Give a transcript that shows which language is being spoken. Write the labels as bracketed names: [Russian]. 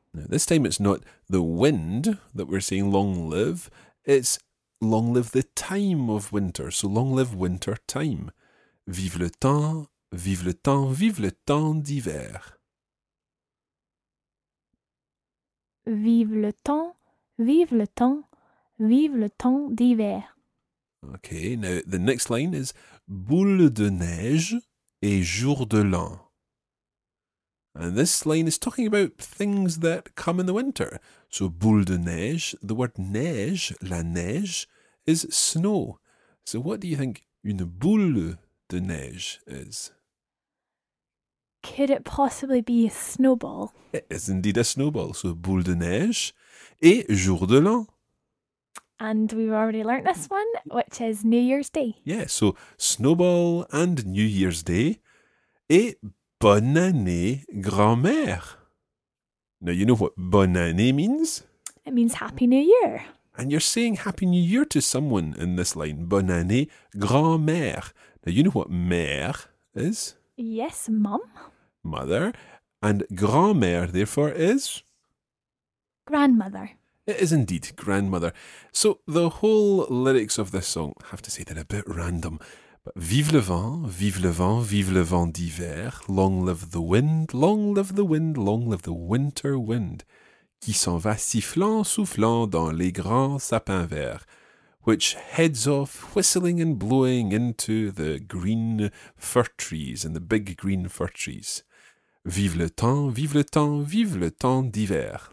[English] Now, this time it's not the wind that we're saying long live, it's long live the time of winter, so long live winter time. [French] Vive le temps, vive le temps, vive le temps d'hiver. Vive le temps, vive le temps d'hiver. [English] Okay, now the next line is [French] boule de neige et jour de l'an. [English] And this line is talking about things that come in the winter. So boule de neige, the word neige, la neige, is snow. So what do you think une boule de neige is? Could it possibly be a snowball? It is indeed a snowball. [French] So boule de neige et jour de l'an. [English] And we've already learnt this one, which is New Year's Day. Yeah, so snowball and New Year's Day [French] et bonne année, grand-mère. [English] Now, you know what bonne année means? It means Happy New Year. And you're saying Happy New Year to someone in this line. [French] Bonne année, grand-mère. [English] Now, you know what mère is? Yes, mum. Mother. And grand-mère, therefore, is? Grandmother. It is indeed grandmother. So, the whole lyrics of this song, I have to say, they're a bit random. [French] Vive le vent, vive le vent, vive le vent d'hiver. [English] Long live the wind, long live the wind, long live the winter wind. [French] Qui s'en va sifflant, soufflant dans les grands sapins verts. [English] Which heads off whistling and blowing into the green fir trees and the big green fir trees. [French] Vive le temps, vive le temps, vive le temps d'hiver.